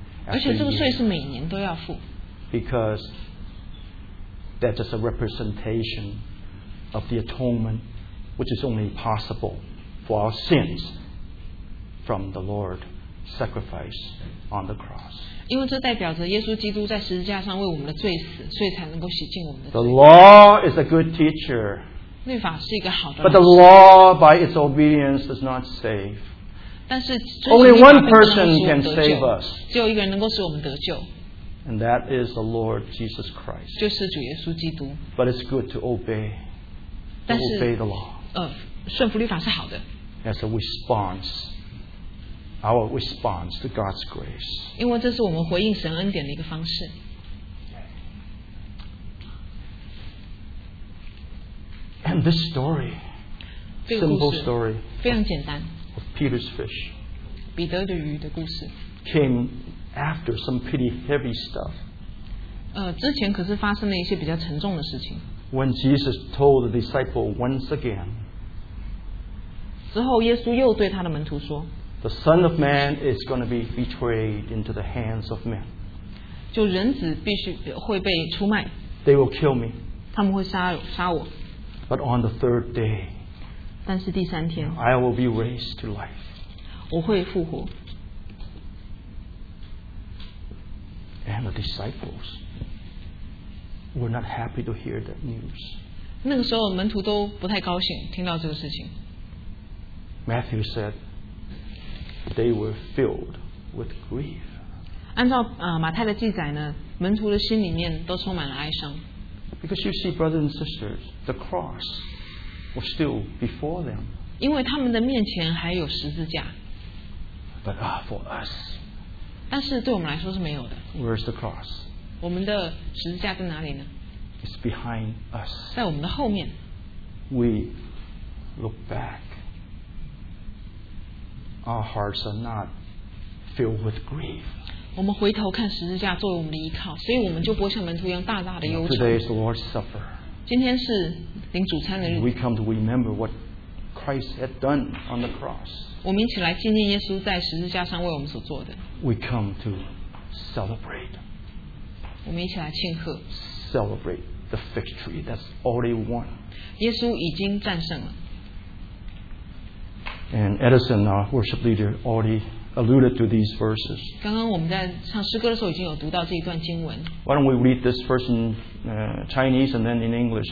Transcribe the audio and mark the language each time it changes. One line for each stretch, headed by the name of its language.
Chinese: 而且这个税是每年都要付。
English: Because that's just a representation of the atonement, which is only possible for our sins from the Lord's sacrifice on the cross.
Chinese: 因为这代表着耶稣基督在十字架上为我们的罪死，所以才能够洗净我们的罪。
English: The law is a good teacher.
Chinese: 律法是一个好的老师。
English: But the law by its obedience does not save.
Chinese: 但是
English: Only one person can save us.
Chinese: 只有一个人能够使我们得救。
English: And that is the Lord Jesus Christ.
Chinese: 就是主耶稣基督。
English: But it's good to obey. To obey the law.
Chinese: 顺服律法是好的。
English: As a responseOur response to God's grace.
Chinese: 因为这是我们回应神恩典的一个方式。
English: And this story, simple story,
Chinese: 非常简单。
English: Of Peter's fish,
Chinese: 彼得的鱼的故事
English: came after some pretty heavy stuff.
Chinese: 之前可是发生了一些比较沉重的事情。
English: When Jesus told the disciple once again,
Chinese: 之后耶稣又对他的门徒说。
English: The Son of Man is going to be betrayed into the hands of men.
Chinese: 就人子必须会被出卖。
English: They will kill me.
Chinese: 他们会杀我。
English: But on the third day,
Chinese: 但是第三天
English: I will be raised to life.
Chinese: 我会复活。
English: And the disciples were not happy to hear that news.
Chinese: 那个时候门徒都不太高兴听到这个事情。
English: Matthew said,They were filled with grief.
Chinese: 按照马太的记载呢，门徒的心里面都充满了哀伤。
English: Because you see, brothers and sisters, the cross was still before them.
Chinese: 因为他们的面前还有十字架。
English: But for us,
Chinese: 但是对我们来说是没有的。
English: Where's the cross?
Chinese: 我们的十字架在哪里呢？
English: It's behind us.
Chinese: 在我们的后面。
English: We look back. Our hearts are not filled with grief.
Chinese: 我们回头看十字架作为我们的依靠，所以我们就不会像门徒一样大大的忧愁。
English: Today is the Lord's Supper.
Chinese: 今天是领主餐的日子。
English: We come to remember what Christ had done on the cross. We come to celebrate.
Chinese: 我们一起来庆贺,
English: celebrate the victory that's already won.
Chinese: 耶稣已经战胜了。
English: And Edison, our worship leader, already alluded to these verses.
Chinese: 刚刚我们在唱诗歌的时候已经有读到这一段经文。
English: Why don't we read this verse in Chinese and then in English?